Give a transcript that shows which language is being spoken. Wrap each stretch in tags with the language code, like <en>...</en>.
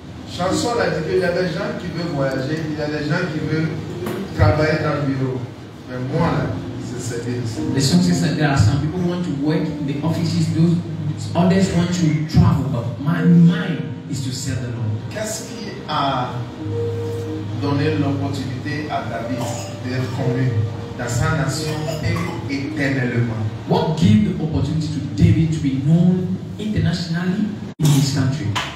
<fr>Chanson l'a dit qu'il y a des gens qui veulent voyager, il y a des gens qui veulent travailler dans le bureau. Mais moi, là, c'est servir. Les gens qui sont dans l'assemblée,</fr> <en>people want to work in the offices, those others want to travel, but my mind is to serve the Lord.</en> <fr>Qu'est-ce qui a donné l'opportunité à David d'être connu dans sa nation et éternellement?</fr> <en>What gave the opportunity to David to be known internationally in his country?</en>